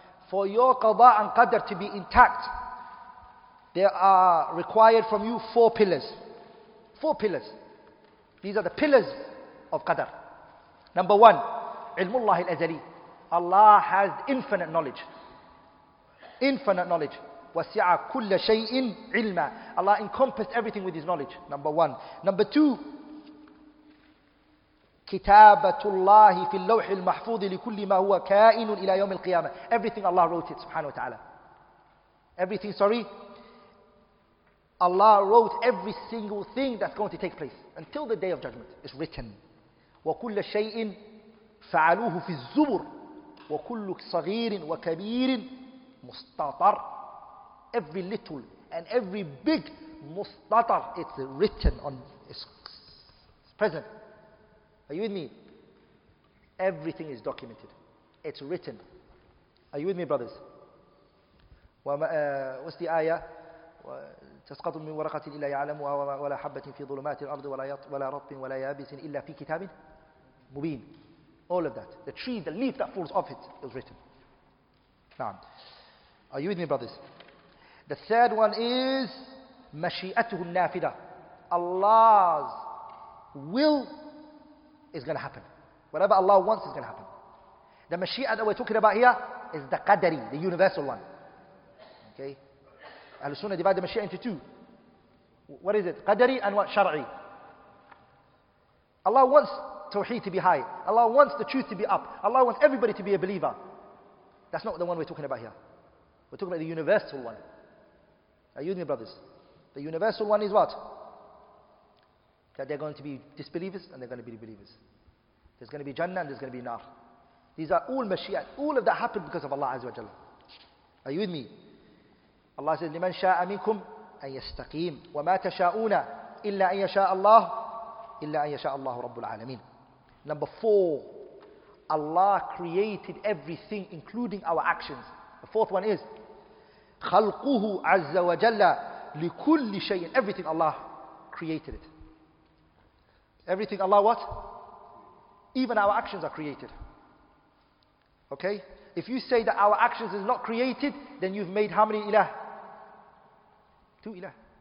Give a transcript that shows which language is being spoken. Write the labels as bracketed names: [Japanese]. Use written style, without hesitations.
[English] For your Qadha and Qadr to be intact, there are required from you four pillars. Four pillars. These are the pillars of Qadr. Number one, Ilmullah al-Azali. Allah has infinite knowledge. Infinite knowledge. [Arabic] وَسِعَ كُلَّ شَيْءٍ عِلْمًا. [English] Allah encompassed everything with His knowledge. Number one. Number two, [Arabic] كِتَابَةُ اللَّهِ فِي اللَّوْحِ الْمَحْفُوظِ لِكُلِّ مَا هُوَ كَائِنٌ إِلَى يَوْمِ الْقِيَامَةِ. [English] Everything Allah wrote it, subhanahu wa ta'ala. Everything, sorry. Allah wrote every single thing that's going to take place until the Day of Judgment. It's written. [Arabic] وَكُلَّ شَيْءٍ فَعَلُوهُ فِي الزُّبُرِ وَكُلُّ صَغِيرٍ وَكَبِيرٍ مُسْتَطَرٍ. [English] Every little and every big mustatar, it's written on, it's present. Are you with me? Everything is documented. It's written. Are you with me, brothers? What's the ayah? [Arabic] تسقط من ورقة إلا يعلمها ولا حبة في ظلمات الأرض ولا رطب ولا يابس إلا في كتاب مبين. [English] All of that. The tree, the leaf that falls off it is written. [Arabic] نعم. [English] Are you with me, brothers? The third one is [Arabic] مشيئته النافذة. [English] Allah's will is going to happen. Whatever Allah wants is going to happen. The mashi'ah that we're talking about here is the qadari, the universal one. Okay? Ahlul Sunnah divide the mashi'ah into two. What is it? Qadari and what? Shar'i. Allah wants tawheed to be high. Allah wants the truth to be up. Allah wants everybody to be a believer. That's not the one we're talking about here. We're talking about the universal one. Are you with me, brothers? The universal one is what? That they're going to be disbelievers and they're going to be believers. There's going to be Jannah and there's going to be Nar. These are all mashi'at. All of that happened because of Allah Azza wa Jalla. Are you with me? Allah says, [Arabic] لِمَنْ شَاءَ مِنْكُمْ أَنْ يَسْتَقِيمُ وَمَا تَشَاءُونَ إِلَّا أَنْ يَشَاءَ اللَّهُ إِلَّا أَنْ يَشَاءَ اللَّهُ رَبُّ الْعَالَمِينَ. [English] Number four, Allah created everything, including our actions. The fourth one is, [Arabic] خلقه عز وجل لكل شيء. [English] Everything Allah created it. Everything Allah what? Even our actions are created. Okay? If you say that our actions is not created, then you've made how many ilah? Two ilah.